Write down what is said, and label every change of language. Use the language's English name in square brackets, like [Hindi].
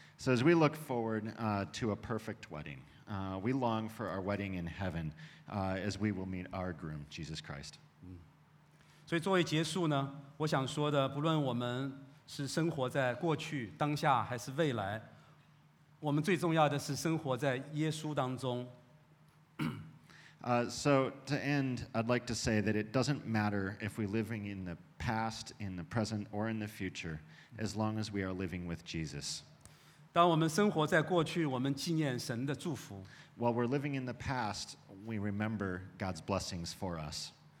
[English] So as we look forward to a perfect wedding, we long for our wedding in heaven as we will meet our groom, Jesus Christ. [Chinese] 所以作为结束呢,我想说的,不论我们是生活在过去,当下还是未来,我们最重要的是生活在耶稣当中。 [English] So to end, I'd like to say that it doesn't matter if we're living in the past, in the present, or in the future, as long as we are living with Jesus. [Chinese] 当我们生活在过去,我们纪念神的祝福。 [English] While we're living in the past, we remember God's blessings for us.